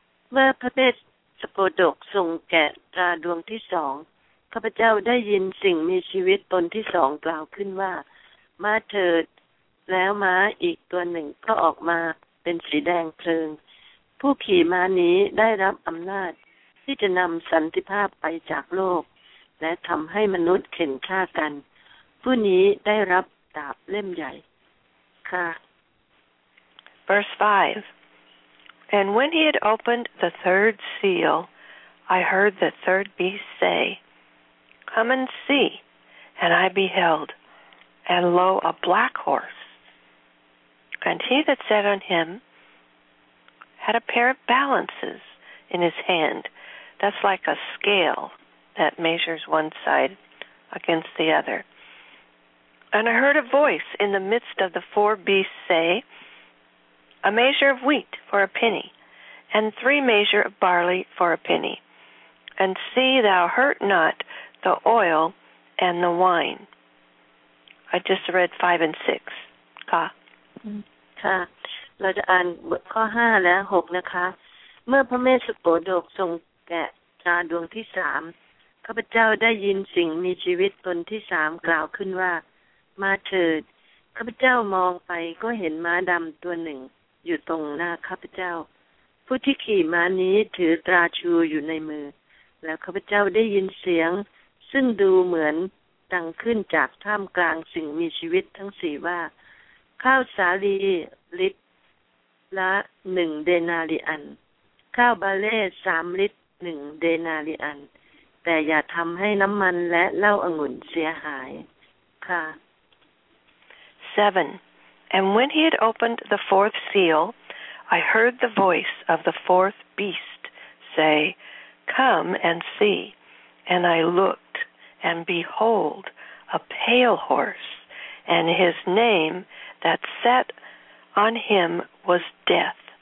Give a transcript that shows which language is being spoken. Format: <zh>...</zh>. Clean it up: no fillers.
<th>เมื่อพระเมษสโปดกทรงแกะตราดวงที่สองข้าพเจ้าได้ยินสิ่งมีชีวิตตนที่สองกล่าวขึ้นว่ามาเถิดแล้วม้าอีกตัวหนึ่งก็ออกมาเป็นสีแดงเพลิงผู้ขี่ม้านี้ได้รับอำนาจที่จะนำสันติภาพไปจากโลกและทำให้มนุษย์เข่นฆ่ากันผู้นี้ได้รับดาบเล่มใหญ่ค่ะ</th> <en>Verse 5 And when he had opened the third seal, I heard the third beast say, Come and see, and I beheld, and lo, a black horse. And he that sat on him had a pair of balances in his hand. That's like a scale that measures one side against the other. And I heard a voice in the midst of the four beasts say, A measure of wheat for a penny, and 3 measure of barley for a penny. And see thou hurt not the oil and the wine. I just read 5 and 6. Ka. Mm-hmm.</en> <th>ค่ะเราจะอ่านบทข้อ5และ6นะคะเมื่อพระเมษโปดกทรงแกะตราดวงที่3ข้าพเจ้าได้ยินสิ่งมีชีวิตตนที่3กล่าวขึ้นว่ามาเถิดข้าพเจ้ามองไปก็เห็นม้าดำตัวหนึ่งอยู่ตรงหน้าข้าพเจ้าผู้ที่ขี่ม้านี้ถือตราชูอยู่ในมือแล้วข้าพเจ้าได้ยินเสียงซึ่งดูเหมือนดังขึ้นจากท่ามกลางสิ่งมีชีวิตทั้ง4ว่า ข้าวสาลีลิตรละ1เดนาริอันข้าวบาเล่3ลิตร1เดนาริอันแต่อย่าทำให้น้ำมันและเหล้าองุ่นเสียหายค่ะ</th> <en>7 And when he had opened the fourth seal I heard the voice of the fourth beast say Come and see And I looked and behold a pale horse and his nameThat sat on him was death,</en>